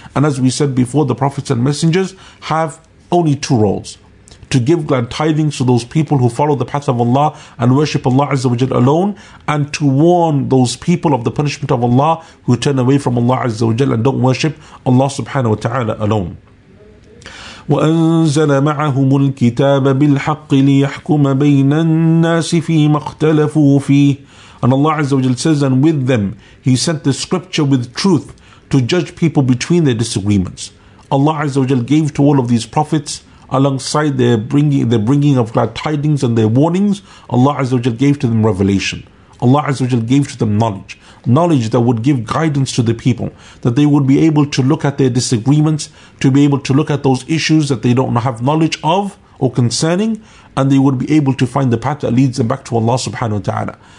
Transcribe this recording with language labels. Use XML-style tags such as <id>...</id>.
<en>And as we said before, the prophets and messengers have only two roles: to give glad tidings to those people who follow the path of Allah and worship Allah Azza wa Jalla alone, and to warn those people of the punishment of Allah who turn away from Allah Azza wa Jalla and don't worship Allah subhanahu wa ta'ala alone.</en> <ar>وأنزل معهم الكتاب بالحق ليحكم بين الناس فيما اختلفوا فيه.</ar> <en>And Allah Azza wa Jalla says, and with them He sent the scripture with truth to judge people between their disagreements. Allah Azza wa Jalla gave to all of these prophets, alongside their bringing of glad tidings and their warnings, Allah Azza wa Jalla gave to them revelation. Allah Azza wa Jalla gave to them knowledge. Knowledge that would give guidance to the people, that they would be able to look at their disagreements, to be able to look at those issues that they don't have knowledge of or concerning, and they would be able to find the path that leads them back to Allah subhanahu wa ta'ala.</en>